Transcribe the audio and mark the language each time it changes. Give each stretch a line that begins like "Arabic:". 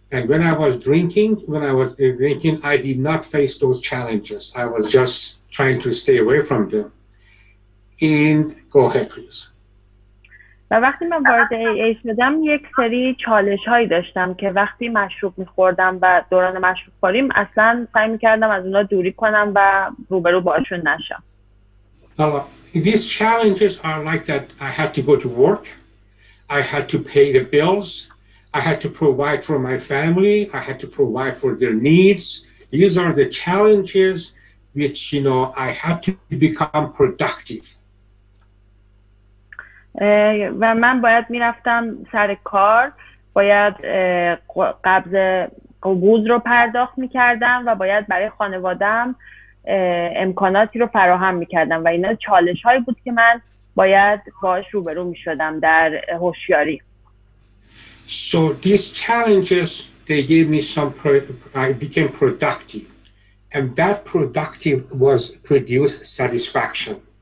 English: And when I was drinking, I did not face those challenges. I was just trying to stay away from them. And go ahead, please.
Persian: و وقتی من وارد AA شدم یک سری چالش هایی داشتم که وقتی مشروب میخوردم و دوران مشروب خوریم اصلا سعی میکردم از اونا دوری کنم و روبرو باشون نشم.
English: These challenges are like that. I had to go to work. I had to pay the bills. I had to provide for my family. I had to provide for their needs. These are the challenges which, you know, I had to become productive.
Persian: و من باید میرفتم سر کار، باید قبض قبوز رو پرداخت میکردم و باید برای خانوادم امکاناتی رو فراهم میکردم و اینا چالش هایی بود که من باید باش روبرو میشدم در هوشیاری.
English: So these challenges, they gave me some I became productive, and that productive was produced satisfaction.